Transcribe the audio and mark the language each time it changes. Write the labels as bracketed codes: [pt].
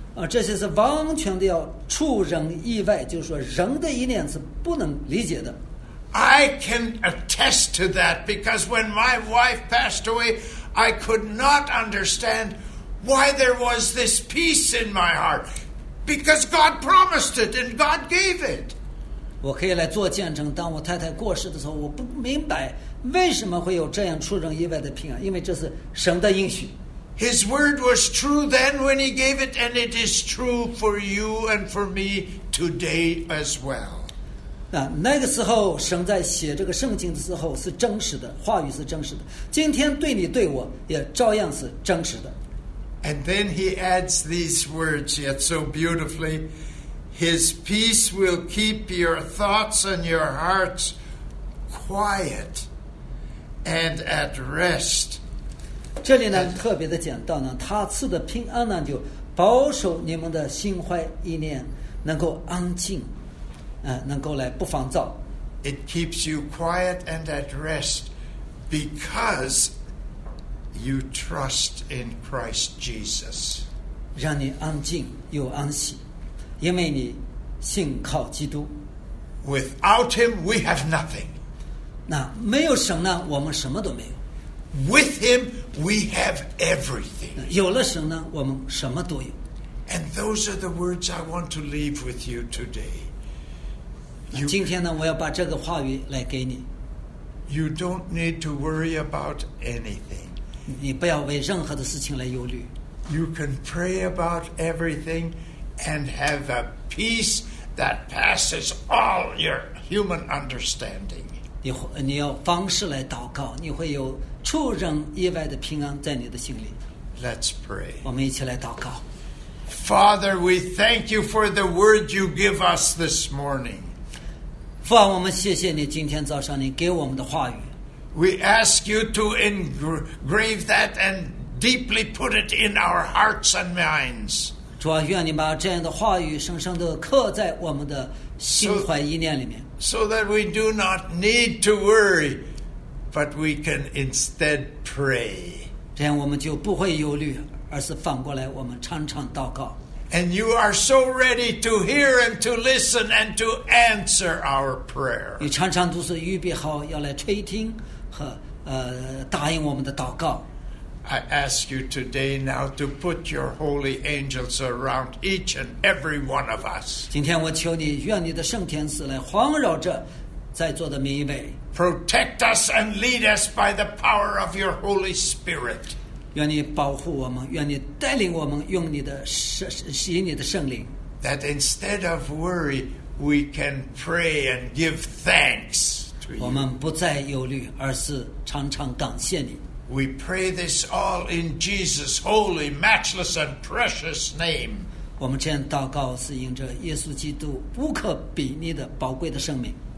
[zh] 这些是完全的要出人意外，就是说人的意念是不能理解的。 [en] I can attest to that because when my wife passed away, I could not understand why there was this peace in my heart. Because God promised it and God gave it. [zh] 我可以来做见证，当我太太过世的时候，我不明白为什么会有这样出人意外的平安，因为这是神的应许。 [en] His word was true then when he gave it, and it is true for you and for me today as well. [zh] 那个时候神在写这个圣经的时候是真实的，话语是真实的，今天对你对我也照样是真实的。 [en] And then he adds these words yet so beautifully. His peace will keep your thoughts and your hearts quiet and at rest. [zh] 这里呢特别的讲到呢，他赐的平安呢就保守你们的心怀意念能够安静，能够来不烦躁。 [en] It keeps you quiet and at rest because. You trust in Christ Jesus. [zh] 让你安静又安息，因为你信靠基督。 [en] Without him, we have nothing. [zh] 那没有神呢，我们什么都没有。 [en] With him, we have everything. [zh] 有了神呢，我们什么都有。 [en] And those are the words I want to leave with you today. [zh] 今天呢，我要把这个话语来给你。 [en] You don't need to worry about anything. [zh] 你不要为任何的事情来忧虑。 [en] You can pray about everything and have a peace that passes all your human understanding. [zh] 你要方式来祷告，你会有出人意外的平安在你的心里。 [en] Let's pray. [zh] 我们一起来祷告。 [en] Father, we thank you for the word you give us this morning. [zh] 父啊，我们谢谢你今天早上你给我们的话语。 [en] We ask you to engrave that and deeply put it in our hearts and minds. [zh] 主啊，愿你把这样的话语深深地刻在我们的心怀意念里面。 [en] So that we do not need to worry, but we can instead pray. [zh] 这样我们就不会忧虑。而是反过来，我们常常祷告。 [en] And you are so ready to hear and to listen and to answer our prayer. [zh] 你常常都是预备好要来垂听和答应我们的祷告。 [en] I ask you today now to put your holy angels around each and every one of us. [zh] 今天我求你，愿你的圣天使来环绕着在座的每一位。 [en] Protect us and lead us by the power of your Holy Spirit. [zh] 愿你保护我们，愿你带领我们，用你的圣，吸引你的圣灵。 [en] That instead of worry, we can pray and give thanks to you. [zh] 我们不再忧虑，而是常常感谢你。 [en] We pray this all in Jesus' holy, matchless, and precious name. [zh] 我们这样祷告是因着耶稣基督无可比拟的宝贵的圣名。